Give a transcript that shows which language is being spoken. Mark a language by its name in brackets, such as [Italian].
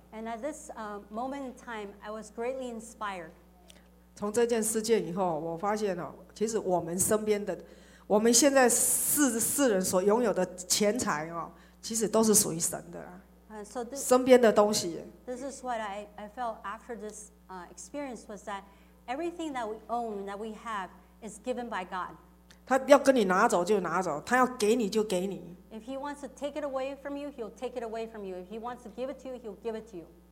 [English] And at this moment in time, I was greatly inspired. [Chinese] 从这件事件以后，我发现哦，其实我们身边的。我们现在世人所拥有的钱财哦，其实都是属于神的啦。 [English] So、this, [Chinese] 身边的东西。 [English] This is what I felt after this experience was that everything that we own that we have is given by God. [Chinese] 他要跟你拿走就拿走，他要给你就给你。 [English] If he wants to take it away from you, he'll take it away from you. If he wants to give it to you, he'll give it to you.